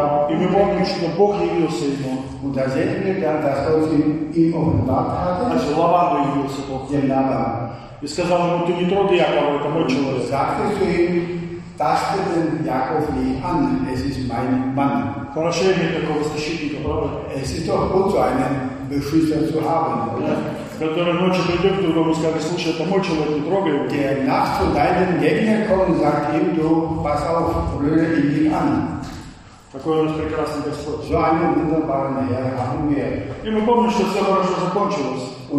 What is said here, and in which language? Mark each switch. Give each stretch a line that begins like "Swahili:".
Russian: И мы помним, что Бог явился ему.
German: Und da sehen wir dann, dass Gott ihm offenbart hatte.
Russian: Also Laban явился Бог.
German: Den Laban.
Russian: И сказал ему, ты не трогай Якова, это мой человек.
German: Sagte zu ihm, taste den Jakob nie an, es ist mein Mann.
Russian: Хорошо иметь такого защитника, правда?
German: Es ist doch gut, so einen Beschützer zu haben.
Russian: Который ночью придет к другому и скажет, слушай, это мой человек, не трогай его.
German: Der nachts zu deinen Gegner kommt und sagt ihm, du pass auf, rühre ihn nicht an.
Russian: Какой у нас прекрасный Господь. И мы помним, что все хорошо закончилось.